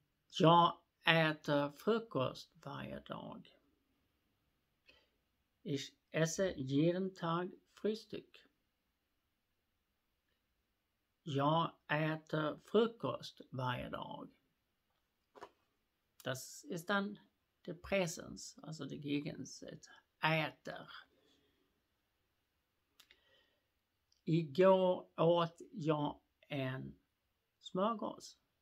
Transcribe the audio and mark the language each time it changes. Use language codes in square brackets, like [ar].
[sv] Jag äter frukost varje dag. [de] Ich esse jeden Tag Frühstück. [sv] Jag äter frukost varje dag. [de] Das ist dann der Präsens, also der Gegensatz. Äter. [sv] Igår åt jag en smörgås.